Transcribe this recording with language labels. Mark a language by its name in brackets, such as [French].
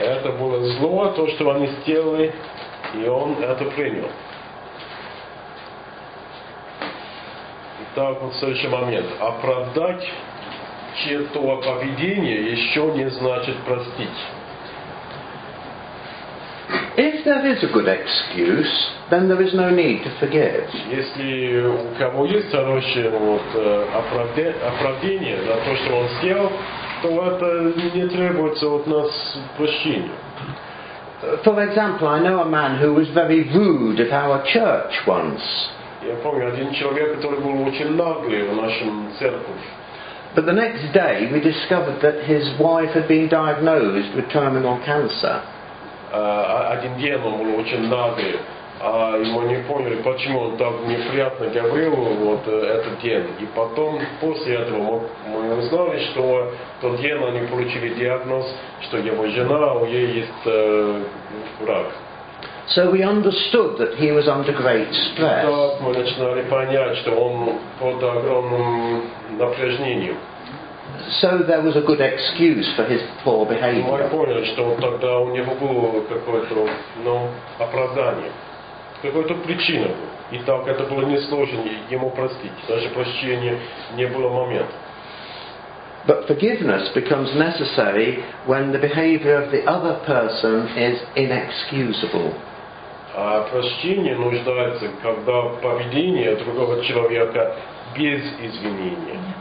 [Russian] Это было зло, то, что они сделали, и он это принял. Так, вот следующий момент. Оправдать чье-то поведение еще не значит простить. [English] If there is a good excuse, then there is no need to forgive. [Russian] Если у кого есть хорошее оправдание за то, что он сделал, то это не требуется от нас прощения. [English] For example, I know a man who was very rude at our church once. [Russian] Я помню один человек, который был очень наглый в нашем церкви. [English] But the next day we discovered that his wife had been diagnosed with terminal cancer. [Russian] Один день он был очень наглый, а мы не поняли, почему он так неприятно говорил вот этот день. И потом после этого мы узнали, что в тот день они получили диагноз, что его жена, у нее есть рак. [English] So we understood that he was under great stress. [Russian] Так мы начинали понять, что он под огромным напряжением. [English] So there was a good excuse for his poor behavior. [Russian] Мы поняли, что тогда у него было какое-то, оправдание. Какая-то причина была. И так это было несложно ему простить. Даже прощения не было момента. [English] But forgiveness becomes necessary when the behavior of the other person is inexcusable. [Russian] А прощение нуждается, когда поведение другого человека без извинения.